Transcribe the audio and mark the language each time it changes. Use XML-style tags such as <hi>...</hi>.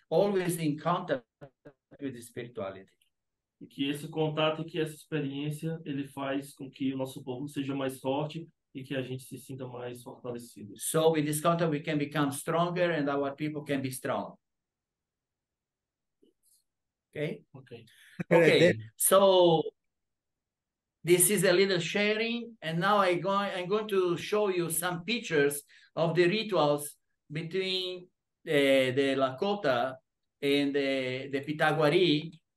<en>Always in contact with spirituality.</en> <pt>E que esse contato e que essa experiência, ele faz com que o nosso povo seja mais forte e que a gente se sinta mais fortalecido.</pt> <en>So in this contact we can become stronger and our people can be strong. Okay. Okay. So this is a little sharing, and now I'm going to show you some pictures of the rituals between the Lakota and the Pitaguari.</en>